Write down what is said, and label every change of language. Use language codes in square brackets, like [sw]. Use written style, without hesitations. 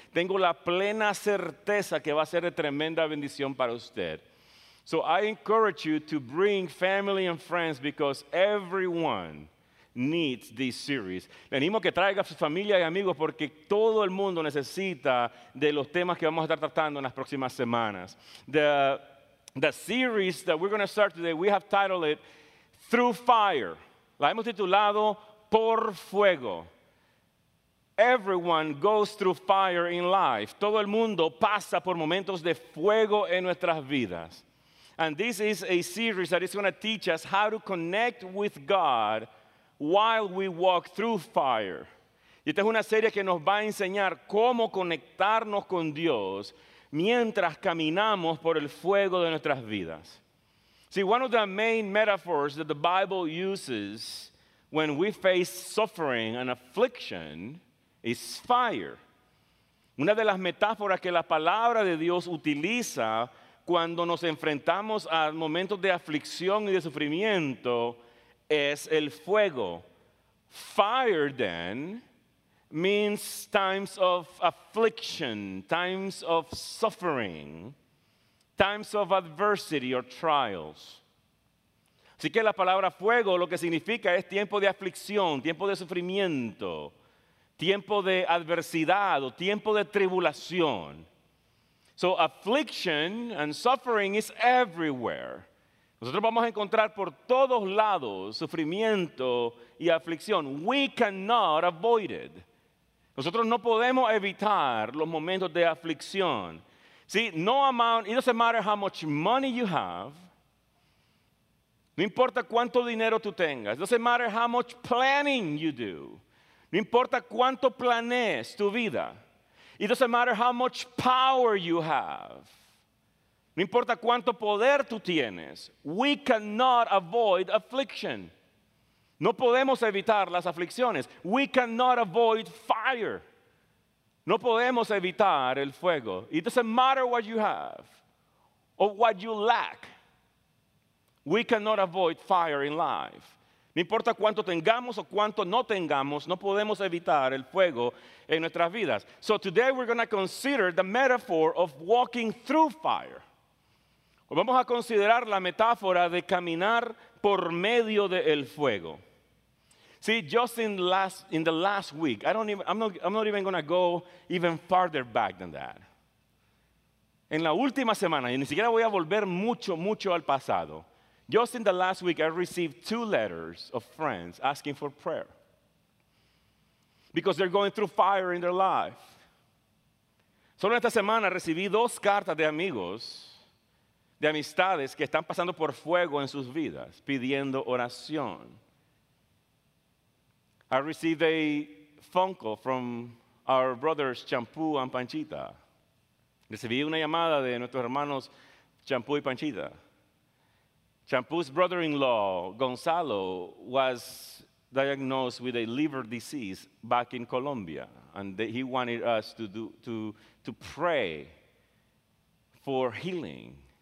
[es] Tengo la plena certeza que va a ser de tremenda bendición para usted. [en] So I encourage you to bring family and friends because everyone needs this series. [es] Le animo que traiga a su familia y amigos porque todo el mundo necesita de los temas que vamos a estar tratando en las próximas semanas. [en] The series that we're going to start today, we have titled it Through Fire. [es] La hemos titulado Por Fuego. [en] Everyone goes through fire in life. [es] Todo el mundo pasa por momentos de fuego en nuestras vidas. [en] And this is a series that is going to teach us how to connect with God while we walk through fire. [es] Y esta es una serie que nos va a enseñar cómo conectarnos con Dios mientras caminamos por el fuego de nuestras vidas. [en] See, one of the main metaphors that the Bible uses when we face suffering and affliction is fire. [es] Una de las metáforas que la palabra de Dios utiliza cuando nos enfrentamos a momentos de aflicción y de sufrimiento es el fuego. [en] Fire, then, means times of affliction, times of suffering, times of adversity or trials. [es] Así que la palabra fuego lo que significa es tiempo de aflicción, tiempo de sufrimiento, tiempo de adversidad o tiempo de tribulación. [en] So affliction and suffering is everywhere. [es] Nosotros vamos a encontrar por todos lados sufrimiento y aflicción. [en] We cannot avoid it. [es] Nosotros no podemos evitar los momentos de aflicción. [en] See, no amount, it doesn't matter how much money you have. [es] No importa cuánto dinero tú tengas. [en] It doesn't matter how much planning you do. [es] No importa cuánto planees tu vida. [en] It doesn't matter how much power you have. [es] No importa cuánto poder tú tienes, [en] we cannot avoid affliction. [es] No podemos evitar las aflicciones. [en] We cannot avoid fire. [es] No podemos evitar el fuego. [en] It doesn't matter what you have or what you lack. We cannot avoid fire in life. [es] No importa cuánto tengamos o cuánto no tengamos, no podemos evitar el fuego en nuestras vidas. [en] So today we're going to consider the metaphor of walking through fire. [es] Vamos a considerar la metáfora de caminar por medio del fuego. [en] See, just in the last week, I'm not even going to go even farther back than that. [es] En la última semana, y ni siquiera voy a volver mucho al pasado. [en] Just in the last week, I received two letters of friends asking for prayer because they're going through fire in their life. [es] Solo esta semana recibí dos cartas de amigos, de amistades que están pasando por fuego en sus vidas, pidiendo oración. [en] I received a phone call from our brothers Champú and Panchita. [es] Recibí una llamada de nuestros hermanos Champú y Panchita. [en] Champú's brother-in-law, Gonzalo, was diagnosed with a liver disease back in Colombia, and he wanted us to pray for healing.